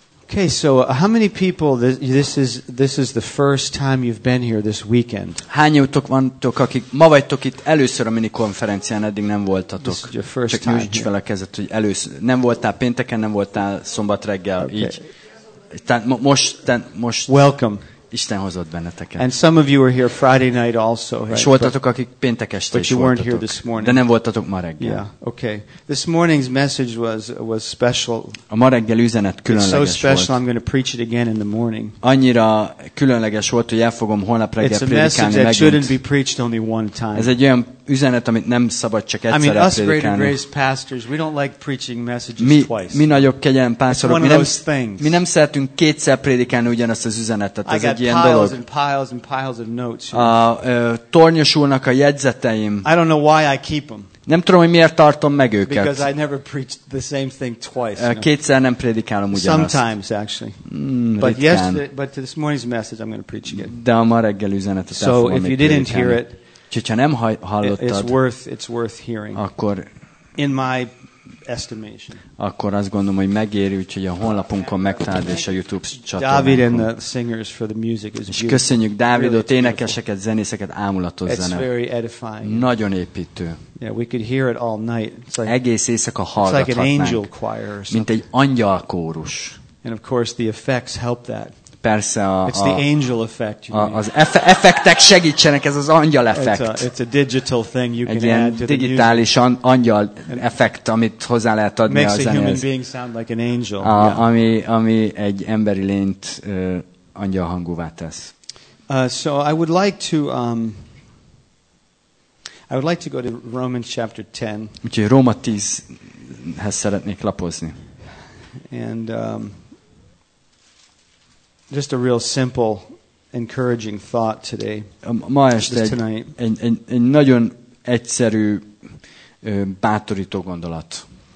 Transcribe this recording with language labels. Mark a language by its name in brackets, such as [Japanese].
[English] Okay, so how many people this is the first time you've been here this weekend? [Hungarian] Hányótok vantok, akik ma vagytok itt először a mini konferencián, eddig nem voltatok. [English] This is your first [Hungarian] csak [English] time. [Hungarian] Csak nyújts fel a kezed, hogy először nem voltál pénteken, nem voltál szombat reggel, [English] okay. [Hungarian] Így. Tehát most [English] welcome. [Hungarian] Isten hozott benneteket. [English] And some of you were here Friday night also. [Hungarian] És voltatok, akik péntek este is voltatok. [English] But you weren't here this morning. [Hungarian] De nem voltatok ma reggel. [English] Yeah. Okay. This morning's message was special. [Hungarian] A ma reggel üzenet különleges volt. [English] It's so special. I'm going to preach it again in the morning. [Hungarian] Annyira különleges volt, hogy el fogom holnap reggel prédikálni megint. [English] It's a message that shouldn't be preached only one time. [Hungarian] Ez egy olyan üzenet, amit nem szabad csak egyszer prédikálni. [English] I mean, us Great and Grace pastors, we don't like preaching messages twice. [Hungarian] Mi nagyobb kegyelem pásztorok, mi nem szeretünk kétszer prédikálni ugyanazt az üzenetet. Ez egy ilyen dolog. [English] Piles and piles and piles of notes. [Hungarian] Tornyosulnak a jegyzeteim. [English] I don't know why I keep them. [Hungarian] Nem tudom, hogy miért tartom meg őket. [English] Because I never preach the same thing twice. [Hungarian] Kétszer nem prédikálom ugyanazt. [English] Sometimes actually. But yesterday, but this morning's message I'm going to preach again. [Hungarian] De a ma reggel üzenetet el fogom prédikálni. [English] So if you didn't hear it, [Hungarian] hogyha nem hallottad, [English] it's worth hearing. [Hungarian] Akkor [English] in my estimation. [Hungarian] Akkor azt gondolom, hogy megéri, úgyhogy a honlapunkon megtaláld és a YouTube csatornánkon. [English] David and the singers for the music is beautiful. [Hungarian] És köszönjük Dávidot, énekeseket, zenészeket, ámulatos zene. [English] It's very edifying. [Hungarian] Nagyon építő. [English] Yeah, we could hear it all night. It's like, [Hungarian] egész éjszaka hallgathatnánk. [English] It's like an angel choir or something. [Hungarian] Mint egy angyalkórus. [English] And of course the effects help that. [Hungarian] Persze [English] it's the angel effect. [Hungarian] Az effektek segítsenek, ez az angyal effekt. [English] It's a digital thing you can [Hungarian] egy ilyen [English] add to the music. [Hungarian] Digitális angyal effekt, amit hozzá lehet adni [English] makes [Hungarian] a zenéhez. [English] Makes a human being sound like an angel. [Hungarian] Ami egy emberi lényt angyal hangúvá tesz. [English] So I would like to go to Romans chapter 10. [Hungarian] Úgyhogy Róma 10-hez szeretnék lapozni. [English] And just a real simple encouraging thought today. [Hungarian] Ma este egy nagyon egyszerű bátorító gondolat.